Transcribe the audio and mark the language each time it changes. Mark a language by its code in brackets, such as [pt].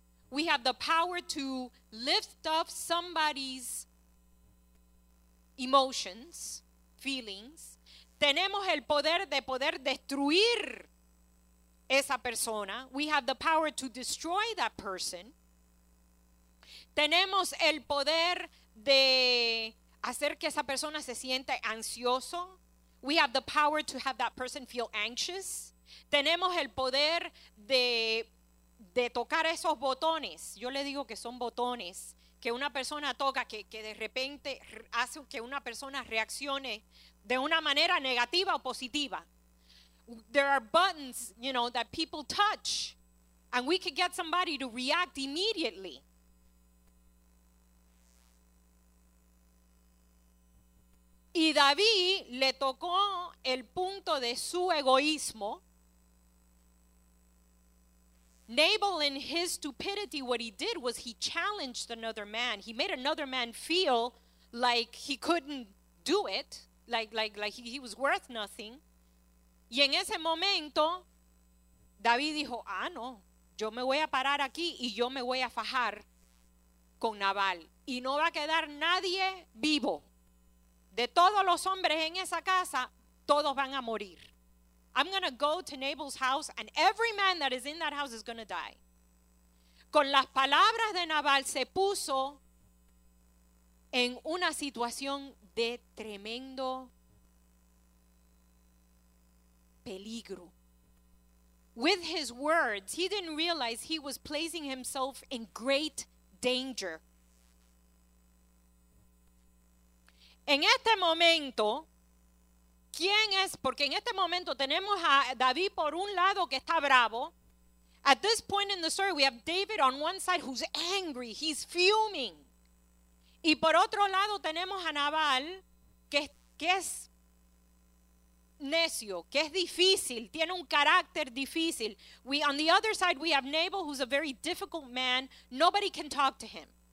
[en] We have the power to lift up somebody's emotions, feelings. [es] Tenemos el poder destruir esa persona. [en] We have the power to destroy that person. [es] Tenemos el poder de hacer que esa persona se sienta ansioso. [en] We have the power to have that person feel anxious. [es] Tenemos el poder de tocar esos botones. Yo le digo que son botones que una persona toca que de repente hace que una persona reaccione de una manera negativa o positiva. [en] There are buttons, you know, that people touch, and we can get somebody to react immediately. [es] Y David le tocó el punto de su egoísmo. [en] Nabal, in his stupidity, what he did was he challenged another man. He made another man feel like he couldn't do it, like he was worth nothing. [es] Y en ese momento, David dijo, ah, no, yo me voy a parar aquí y yo me voy a fajar con Nabal. Y no va a quedar nadie vivo. De todos los hombres en esa casa, todos van a morir. [en] I'm going to go to Nabal's house and every man that is in that house is going to die. [es] Con las palabras de Nabal se puso en una situación de tremendo peligro. [en] With his words, he didn't realize he was placing himself in great danger. [es] En este momento, ¿quién es? Porque en este momento tenemos a David por un lado que está bravo. [en] At this point in the story, we have David on one side who's angry. He's fuming. [es] Y por otro lado tenemos a Nabal, que es necio, que es difícil, tiene un carácter difícil. [en] On the other side, we have Nabal, who's a very difficult man. Nobody can talk to him.